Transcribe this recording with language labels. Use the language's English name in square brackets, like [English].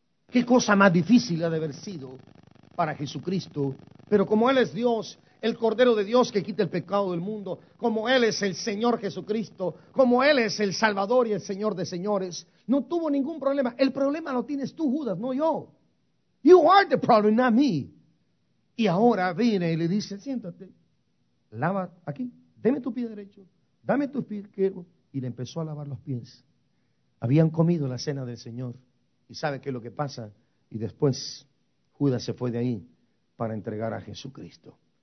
[Spanish] ¿Qué cosa más difícil ha de haber sido para Jesucristo? Pero como Él es Dios, el Cordero de Dios que quita el pecado del mundo, como Él es el Señor Jesucristo, como Él es el Salvador y el Señor de señores, no tuvo ningún problema. El problema lo tienes tú, Judas, no yo. [English] You are the problem, not me. [Spanish] Y ahora viene y le dice, siéntate, lava aquí, deme tu pie derecho, dame tu pie izquierdo, y le empezó a lavar los pies. Habían comido la cena del Señor, y sabe qué es lo que pasa, y después Judas se fue de ahí para entregar a Jesucristo.